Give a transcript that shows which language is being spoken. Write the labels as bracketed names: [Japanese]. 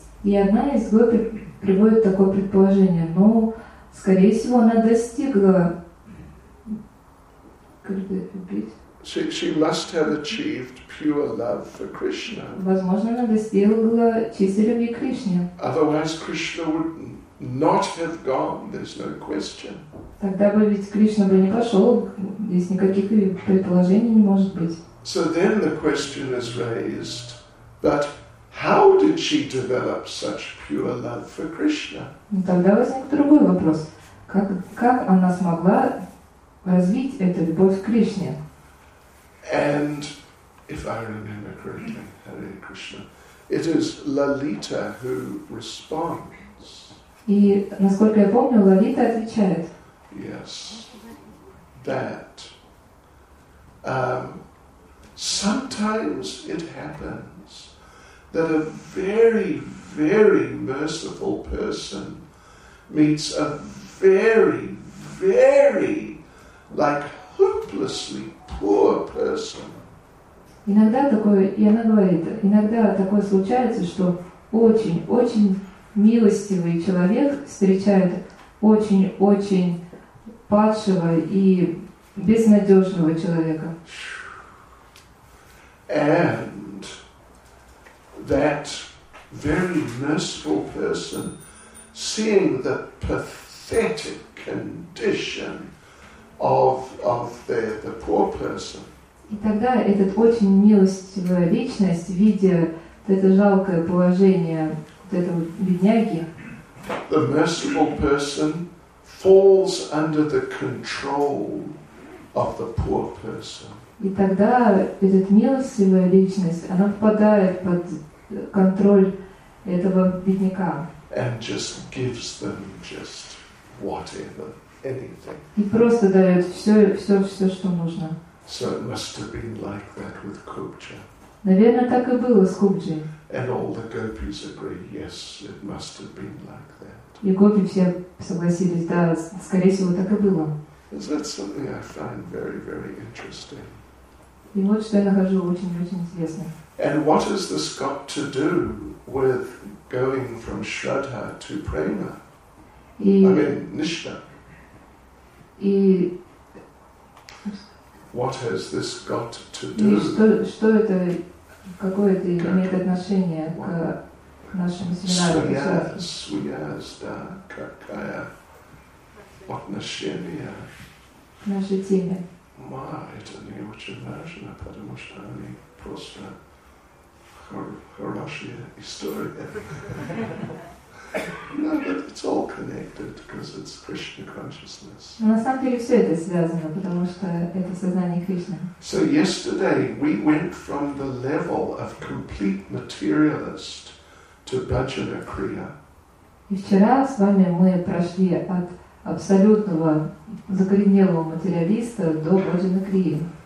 [Russian] И одна из гопи приводит такое предположение, но, скорее всего, она достигла [English] She must have achieved pure love for Krishna. [Russian] Возможно, она достигла чистой любви к Кришне. [English] Otherwise, Krishna would not have gone. There's no question. [Russian] Тогда бы ведь Кришна бы не пошел, здесь никаких предположений не может быть. [English] So then the question is raised, but how did she develop such pure love for Krishna? [Russian] Тогда возник другой вопрос: как она смогла развить эту любовь к Кришне? [English] And if I remember correctly, Hare Krishna, it is Lalita who responds. [Russian] И насколько я помню, Лалита отвечает. [English] Yes, that. Sometimes it happens that a very, very merciful person meets a very, very, like, hopelessly poor person. [Russian] Иногда такое, и она говорит, иногда такое случается, что очень, очень милостивый человек встречает очень, очень падшего и безнадежного человека. [English] And that very merciful person, seeing the pathetic condition of the poor person. [Russian] И тогда этот очень милостивая личность, видя это жалкое положение вот этого бедняги, [English] the merciful person falls under the control of the poor person. [Russian] И тогда эта милостивая личность, она попадает под контроль этого бедняка. [English] And just gives them just whatever. Anything. [Russian] И просто дает все, что нужно. [English] So it must have been like that with Kupcha. [Russian] Наверное, так и было с Кубджи. [English] And all the gopis agree, yes, it must have been like that. [Russian] И гопи все согласились, да, скорее всего, так и было. [English] Is that something I find very, very interesting? [Russian] И вот что я нахожу очень-очень интересным. [English] And what has this got to do with going from Shraddha to Prema? Nishtha. [Russian] И [English] what has this got to do? [Russian] Что это, какое это имеет отношение к нашему семинару? Суязда, какая отношение? Наша тема. Ма, это не очень важно, потому что они просто хорошая история. [English] No, but it's all connected because it's Krishna consciousness. [Russian] На самом деле все это связано, потому что это сознание Кришны. [English] So yesterday we went from the level of complete materialist to Bhajana Kriya. [Russian] И вчера с вами мы прошли от абсолютного закоренелого материалиста до Bhajana Kriya.